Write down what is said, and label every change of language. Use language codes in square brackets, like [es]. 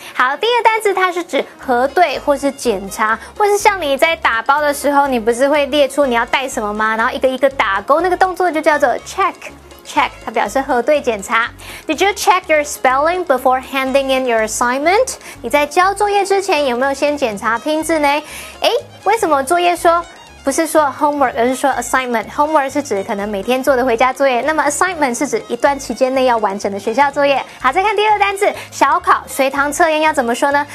[zh] 好，第一个单字它是指核对或是检查，或是像你在打包的时候，你不是会列出你要带什么吗？然后一个一个打勾，那个动作就叫做 check。Check， 它表示核对检查。 [en] Did you check your spelling before handing in your assignment？ [zh] 你在交作业之前有没有先检查拼字呢？哎，为什么作业说不是说 homework， 而是说 assignment？ Homework 是指可能每天做的回家作业，那么 assignment 是指一段期间内要完成的学校作业。好，再看第二个单字，小考、随堂测验要怎么说呢？